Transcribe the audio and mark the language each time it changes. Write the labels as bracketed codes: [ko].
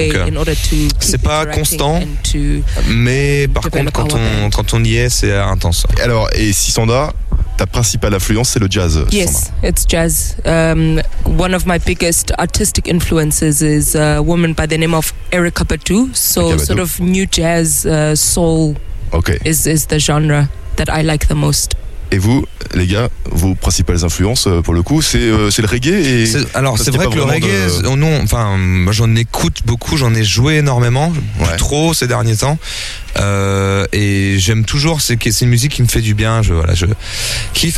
[fr] Donc, c'est pas constant, mais par contre quand on y est, c'est intense. Alors, et Sisanda, ta principale influence, c'est le jazz? [en] Yes, Sisanda. It's jazz. One of my biggest artistic influences is a woman by the name of Erykah Badu. So, sort of new jazz, soul, okay. is the genre that I like the most. [fr] Et vous, les gars, vos principales influences, pour le coup, c'est le reggae et... C'est vrai que le reggae, j'en écoute beaucoup, j'en ai joué énormément, ouais. Trop ces derniers temps. Et j'aime toujours, c'est une musique qui me fait du bien, je kiffe.